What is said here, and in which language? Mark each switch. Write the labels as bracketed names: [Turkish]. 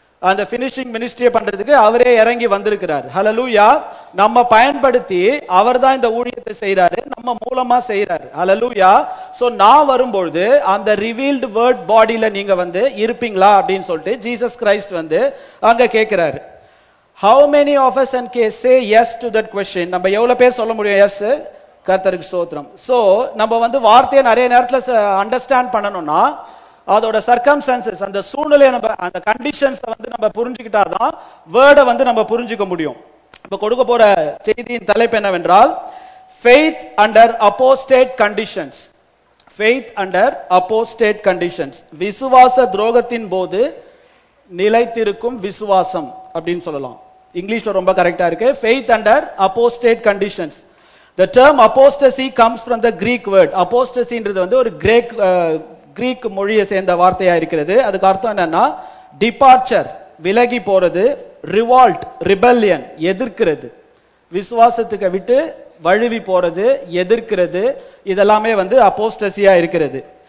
[Tamil] அந்த ஃபினிஷிங் மினிஸ்ட்ரியை பண்றதுக்கு அவரே இறங்கி வந்திருக்கிறார். ஹல்லேலூயா. நம்ம பயன்படுத்தி அவர் தான் இந்த ஊழியத்தை செய்யறாரு, நம்ம மூலமா செய்யறாரு. ஹல்லேலூயா. சோ நான் வரும்பொழுது அந்த ரிவீல்டு வேர்ட் பாடியில நீங்க வந்து இருப்பீங்களா அப்படின்னு சொல்லிட்டு ஜீசஸ் கிரைஸ்ட் வந்து அங்க கேட்கிறாரு. [English] How many of us can say yes to that question? [Tamil] நம்ம எவ்வளவு பேர் சொல்ல முடியும் எஸ்? கர்த்தருக்கு ஸ்தோத்திரம். சோ நம்ம வந்து வார்த்தையை நிறைய நேரத்தில் அண்டர்ஸ்டாண்ட் பண்ணணும்னா அதோட சர்க்கம்ஸ்டான்சஸ், அந்த சூழ்நிலையை நம்ம அந்த கண்டிஷன்ஸை வந்து நம்ம புரிஞ்சுக்கிட்டாதான் வேர்டை வந்து நம்ம புரிஞ்சுக்க முடியும். இப்போ கொடுக்க போற செய்தியின் தலைப்பு என்னவென்றால் [English] Faith Under Apostate Conditions. Faith Under Apostate Conditions. [Tamil] விசுவாச துரோகத்தின் போது நிலைத்திருக்கும் விசுவாசம் அப்படின்னு சொல்லலாம். இங்கிலீஷில் ரொம்ப கரெக்டாக இருக்கு. [English] Faith Under Apostate Conditions. The term apostasy comes from the Greek word. [Tamil] Apostasy-ன்றது வந்து ஒரு கிரீக் மொழியை சேர்ந்த வார்த்தையா இருக்கிறது. அதுக்கு அர்த்தம் என்னன்னா டிபார்ச்சர், விலகி போறது, ரிவால்ட், ரிபெல்லியன், எதிர்க்கிறது, விசுவாசத்துக்கு விட்டு வழுவி போறது, எதிர்க்கிறது, இதெல்லாமே வந்து அப்போஸ்டசியா இருக்கிறது.